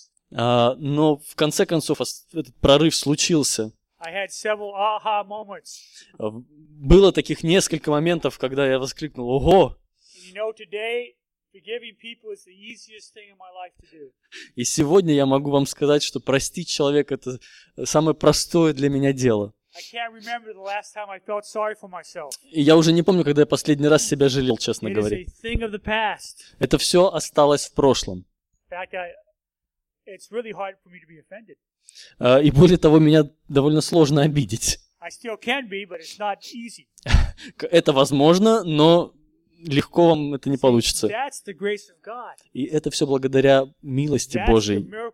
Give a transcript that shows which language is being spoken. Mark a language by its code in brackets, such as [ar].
[ru] Но в конце концов этот прорыв случился. [en] I had several aha moments. [ru] Было таких несколько моментов, когда я воскликнул: «Ого!» [en] You know, today, forgiving people is the easiest thing in my life to do. [ru] И сегодня я могу вам сказать, что простить человека — это самое простое для меня дело. [en] I can't remember the last time I felt sorry for myself. [ru] И я уже не помню, когда я последний раз себя жалел, честно говоря. [en] It is a thing of the past. [ru] Это все осталось в прошлом. [en] In fact, it's really hard for me to be offended. [ru] И более того, меня довольно сложно обидеть. [en] I still can be, but it's not easy. [ru] Это возможно, но легко вам это не получится. И это все благодаря милости Божьей.